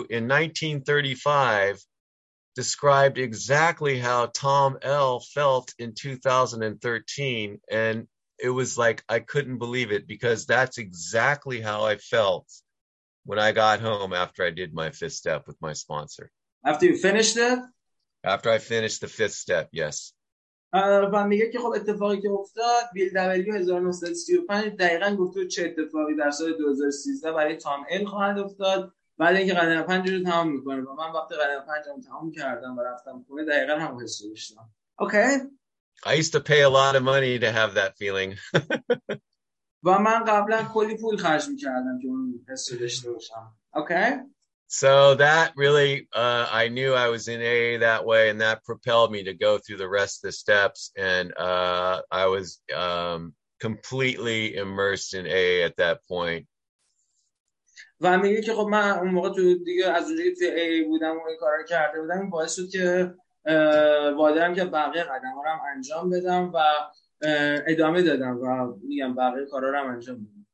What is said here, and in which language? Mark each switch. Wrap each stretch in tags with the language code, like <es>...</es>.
<en>in 1935 described exactly how Tom L. felt in 2013. And it was like I couldn't believe it because that's exactly how I felt when I got home after I did my fifth step with my sponsor. After you finished it? After I finished the fifth step, yes.</en> <fa>و میگه که خب اتفاقی که افتاد بیل دبلیو 1935 دقیقا گفت تو چه اتفاقی در سال 2013 برای تام ال خواهد افتاد بعد اینکه قدم پنج رو تمام میکنه و من وقتی قدم پنج رو تمام کردم و رفتم خونه دقیقا هم حس داشتم.</fa> <en>Okay. I used to pay a lot of money to have that feeling.</en> <fa>و من قبلا کلی پول خرج می‌کردم که اون حس رو داشته باشم.</fa> <en>Okay. So that really I knew I was in AA that way and that propelled me to go through the rest of the steps and I was completely immersed in AA at that point.</en> <fa>و میگه که خب من اون موقع تو دیگه از اونجایی توی AA بودم و این کارا کرده بودم باعث شد که وادارم که بقیه قدم ها رو انجام بدم و ادامه دادم و میگم بقیه کارا رو هم انجام بدم.</fa>